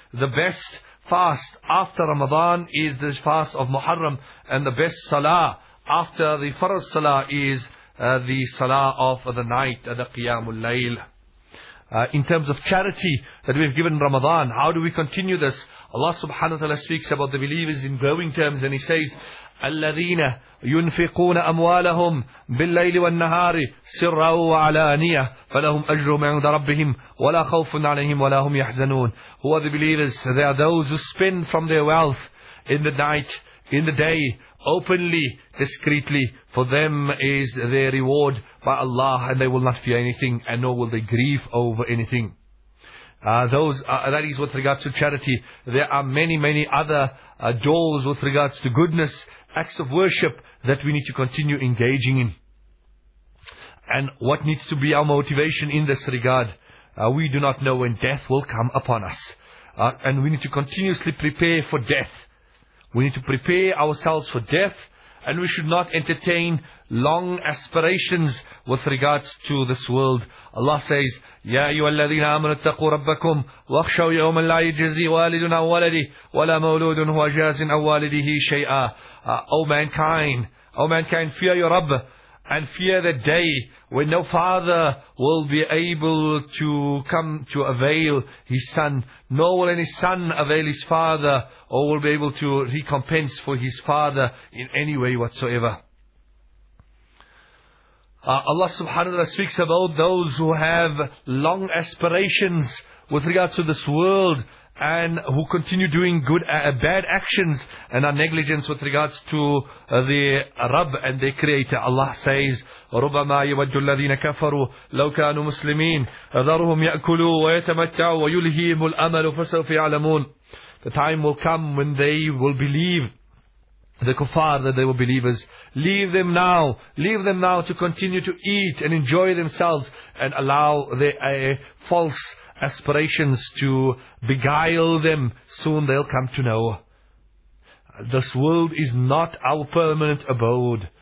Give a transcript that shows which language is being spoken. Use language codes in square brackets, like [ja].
[en] The best fast after Ramadan is the fast of Muharram. And the best salah after the Farz salah is the salah of the night, the Qiyamu al-Layl. In terms of charity that we've given Ramadan, how do we continue this? Allah subhanahu wa ta'ala speaks about the believers in glowing terms, and He says, [ar] الَّذِينَ يُنْفِقُونَ أَمْوَالَهُمْ بِاللَّيْلِ وَالنَّهَارِ سِرًّا وَعَلَانِيَةً فَلَهُمْ أَجْرُهُمْ عِنْدَ رَبِّهِمْ وَلَا خَوْفٌ عَلَيْهِمْ وَلَا هُمْ يَحْزَنُونَ. [en] Who are the believers? They are those who spend from their wealth in the night, in the day, openly, discreetly. For them is their reward by Allah, and they will not fear anything, and nor will they grieve over anything. That is with regards to charity. There are many, many other doors with regards to goodness, acts of worship that we need to continue engaging in. And what needs to be our motivation in this regard? We do not know when death will come upon us. And we need to continuously prepare for death. We need to prepare ourselves for death, and we should not entertain long aspirations with regards to this world. Allah says, [ar] يَا أَيُّهَا الَّذِينَ آمَنُوا اتَّقُوا رَبَّكُمْ وَاخْشَوْا يَوْمًا لَا يَجْزِي وَالِدٌ عَنْ وَلَدِهِ وَلَا مَوْلُودٌ هُوَ جَازٍ عَنْ وَالِدِهِ شَيْئًا. [en] O mankind, fear your Rabb, and fear the day when no father will be able to come to avail his son, nor will any son avail his father, or will be able to recompense for his father in any way whatsoever. Allah subhanahu wa ta'ala speaks about those who have long aspirations with regards to this world, and who continue doing good bad actions and are negligent with regards to the Rabb and their Creator. Allah says, [ar] رُبَمَا يَوَدُّ الَّذِينَ كَفَرُوا لَوْ كَانُوا مُسْلِمِينَ ذَرُهُمْ يَأْكُلُوا وَيَتَمَتَّعُوا وَيُلْهِيهِمُ الْأَمَلُ فَسَوْفَ يَعْلَمُونَ. [en] The time will come when they will believe, the kuffar, that they were believers. Leave them now to continue to eat and enjoy themselves and allow their false aspirations to beguile them. Soon they'll come to know. This world is not our permanent abode.